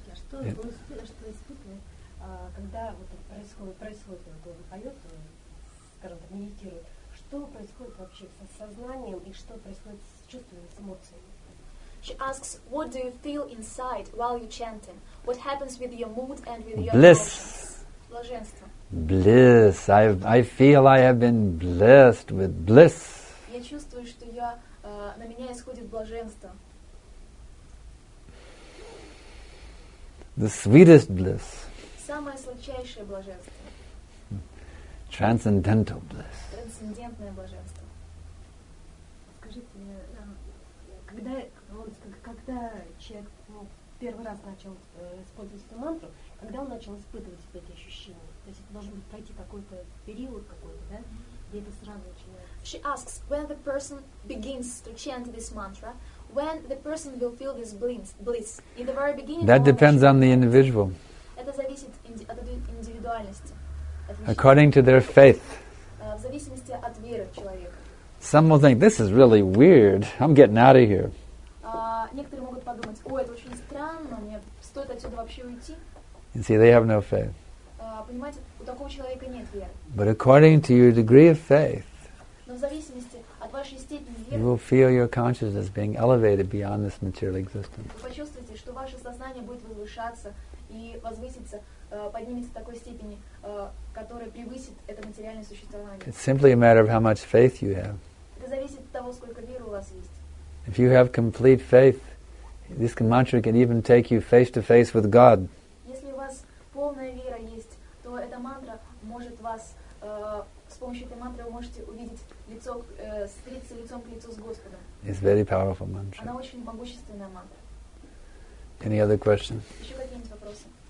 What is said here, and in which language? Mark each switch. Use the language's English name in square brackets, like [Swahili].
[Russian] Что испытывает, когда вот происходит, вот он поет, скажем так, медитирует, что происходит вообще со сознанием и что происходит с чувствами, с эмоциями? [English] She asks, what do you feel inside while you're chanting? What happens with your mood and with your bliss. Emotions? Bliss. I feel I have been blessed with bliss. [Russian] Я чувствую, что я на меня исходит блаженство. [English] The sweetest bliss. [Russian] Самое сладчайшее блаженство. [English] Transcendental bliss. [Russian] Трансцендентное блаженство. Скажите, когда человек первый раз начал использовать эту мантру, когда он начал испытывать вот эти ощущения? То есть это должен быть пройти какой-то период какой-то, да? Где это сразу начинается? [English] She asks, when the person begins to chant this mantra, when the person will feel this bliss? In the very beginning, that depends on the individual. [Russian] Это зависит от индивидуальности. [English] According to their faith. [Russian] В зависимости от веры человека. [English] Some will think, this is really weird, I'm getting out of here. [Russian] Некоторые могут подумать, ой, это очень странно, мне стоит отсюда вообще уйти. [English] You see, they have no faith. [Russian] Понимаете, у такого человека нет веры. [English] But according to your degree of faith, [Russian] но в зависимости от вашей степени веры, [English] you will feel your consciousness being elevated beyond this material existence. [Russian] Вы почувствуете, что ваше сознание будет возвышаться и возвыситься, поднимется в такой степени, которая превысит это материальное существование. [English] It's simply a matter of how much faith you have. [Russian] Это зависит от того, сколько веры у вас есть. [English] If you have complete faith, this mantra can even take you face to face with God. [Russian] Если у вас полная вера есть, то эта мантра может вас с помощью этой мантры вы можете увидеть лицо, встретиться лицом к лицу с Господом. [English] It's very powerful mantra. [Russian] Она очень могущественная мантра. [English] Any other question? [Russian] Еще какие-нибудь вопросы?